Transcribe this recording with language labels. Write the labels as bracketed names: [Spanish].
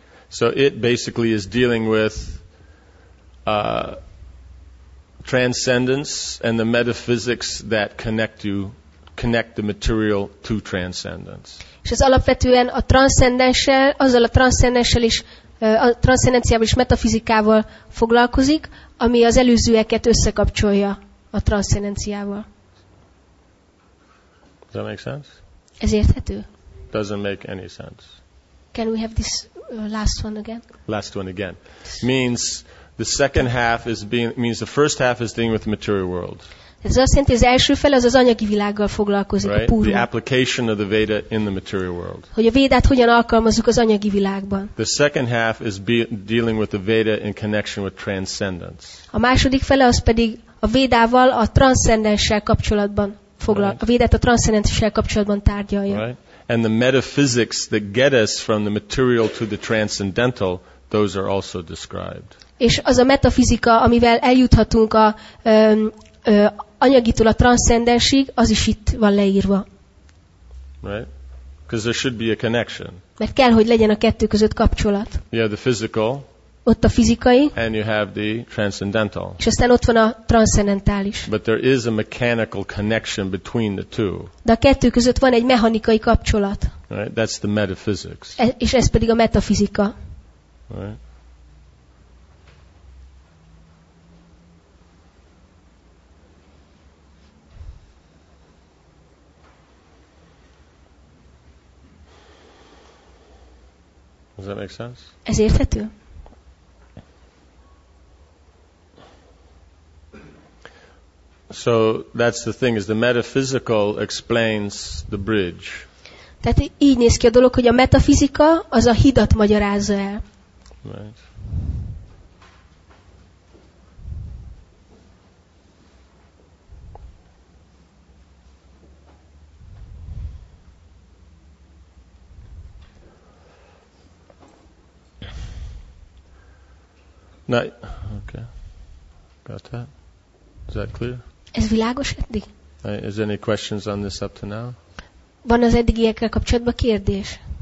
[English] So it basically is dealing with transcendence and the metaphysics that connect the material to transcendence. [Hungarian] És ez alapvetően a transzcendenssel, azzal a transzcendenssel is, a transzcendenciával és metafizikával foglalkozik, ami az előzőeket összekapcsolja a transzcendenciával. [English] Does that make sense? [Hungarian] Ez érthető? [English] Doesn't make any sense. Can we have this last one again? Last one again. Means the second half is being, means the first half is dealing with the material world. [Hungarian] Ez azt jelenti, az első fel az anyagi világgal foglalkozik, [English] right? [Hungarian] A purva. [English] The application of the Veda in the material world. [Hungarian] Hogy a Védát hogyan alkalmazzuk az anyagi világban. [English] The second half is dealing with the Veda in connection with transcendence. [Hungarian] A második fele az pedig a Védával, a transzcendenssel kapcsolatban. A Védát a transzcendenssel kapcsolatban tárgyalja. [English] Right. And the metaphysics that get us from the material to the transcendental, those are also described. [Hungarian] És az a metafizika, amivel eljuthatunk a anyagitól a transzcendensig, az is itt van leírva. [English] Right? Because there should be a connection. [Hungarian] Mert kell, hogy legyen a kettő között kapcsolat. [English] Yeah, the physical. [Hungarian] ott a fizikai, [English] and you have the transcendental. [Hungarian] És aztán ott van a transzcendentális. [English] But there is a mechanical connection between the two. [Hungarian] De a kettő között van egy mechanikai kapcsolat. [English] Right? That's the metaphysics. [Hungarian] És ez pedig a metafizika. [English] Right? Does that make sense? [Hungarian] Ez érthető? [English] So that's the thing, is the metaphysical explains the bridge. [Hungarian] Tehát így néz ki a dolog, hogy a metafizika az a hidat magyarázza el. [English] Right. Na, okay. Got that? Is that clear? [Hungarian] Ez világos eddig? [English] Is any questions on this up to now? [Hungarian] Van az eddigiekkel kapcsolatban kérdés?